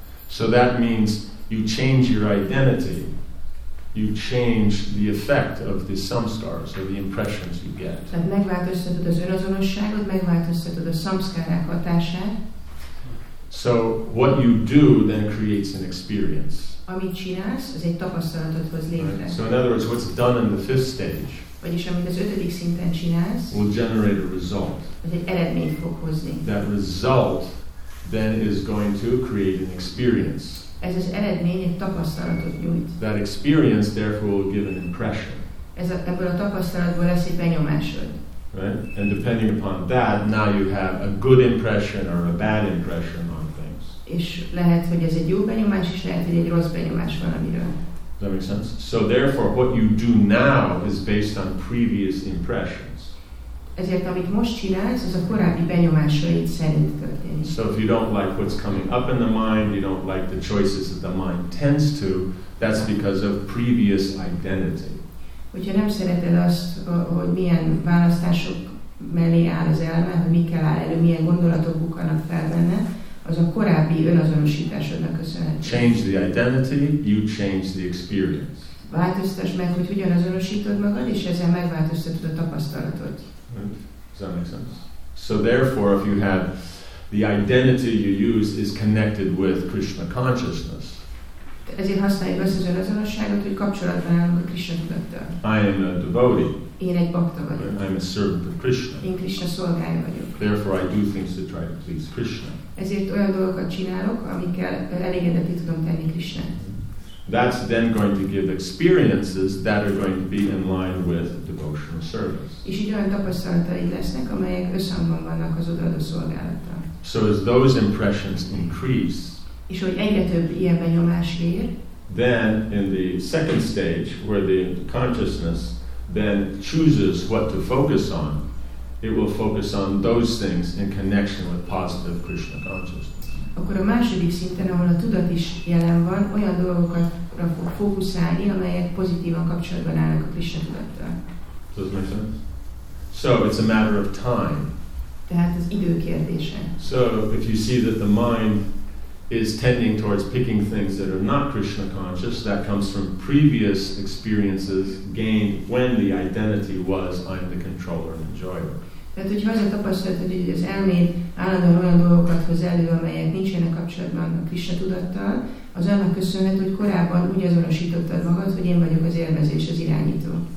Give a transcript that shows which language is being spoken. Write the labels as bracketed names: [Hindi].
[English] So that means you change your identity, you change the effect of the samskaras, or the impressions you get. [Hungarian] Tehát megváltoztatod az önazonosságot, megváltoztatod a samskarák hatását. [English] So what you do then creates an experience. [Hungarian] Amit csinálsz, az egy tapasztalatot hoz létre. [English] Right. So in other words, what's done in the fifth stage, [Hungarian] vagyis amit az ötödik szinten csinálsz, [English] will generate a result. [Hungarian] Az egy eredményt fog hozni. [English] That result then is going to create an experience. [Hungarian] Ez az eredmény egy tapasztalatot nyújt. [English] That experience therefore will give an impression. [Hungarian] Ebből a tapasztalatból lesz egy benyomásod. [English] Right? And depending upon that, now you have a good impression or a bad impression on things. [Hungarian] És lehet, hogy ez egy jó benyomás, és lehet, hogy egy rossz benyomás valamiről. [English] Does that make sense? So therefore, what you do now is based on previous impressions. [Hungarian] Ezért, amit most csinálsz, az a korábbi benyomásaid szerint történik. [English] So if you don't like what's coming up in the mind, you don't like the choices that the mind tends to, that's because of previous identity. [Hungarian] Hogyha nem szereted azt, hogy milyen választások mellé áll az elme, hogy mikkel áll elő, milyen gondolatok bukanak fel benne, az a korábbi önazonosításodnak köszönhető. [English] Change the identity, you change the experience. [Hungarian] Változtass meg, hogy hogyan azonosítod magad, és ezzel megváltoztatod a tapasztalatot. [English] Does that make sense? So therefore, if you have the identity you use is connected with Krishna consciousness. [Hungarian] Ezért használjuk azt az önazonosságot, hogy kapcsolatban állunk a Krishna tudattal. [English] I am a devotee. [Hungarian] Én egy bhakta vagyok. [English] I am a servant of Krishna. [Hungarian] Én Krishna szolgája vagyok. [English] Therefore, I do things to try to please Krishna. [Hungarian] Ezért olyan dolgokat csinálok, amikkel elégedetté tudom tenni Krishna. [English] That's then going to give experiences that are going to be in line with devotional service. [Hungarian] És így olyan tapasztalataid lesznek, amelyek összhangban vannak az odaadó szolgálattal. [English] So as those impressions increase, [Hungarian] és hogy egyre több ilyen benyomás ér, [English] then in the second stage, where the consciousness then chooses what to focus on, it will focus on those things in connection with positive Krishna consciousness. [Hungarian] Akkor a második szinten, ahol a tudat is jelen van, olyan dolgokra fog fókuszálni, amelyek pozitívan kapcsolatban állnak a Krishna tudattal. [English] Does that make sense? So it's a matter of time. [Hungarian] Tehát az idő kérdése. [English] So if you see that the mind is tending towards picking things that are not Krishna conscious, that comes from previous experiences gained when the identity was I'm the controller and enjoyer. [Hungarian] Tehát, hogyha az a tapasztalatod, hogy az elméd állandóan olyan dolgokat hoz elő, amelyek nincsenek kapcsolatban a Krishna tudattal, az annak köszönhet, hogy korábban úgy azonosítottad magad, hogy én vagyok az élvezés, az irányító.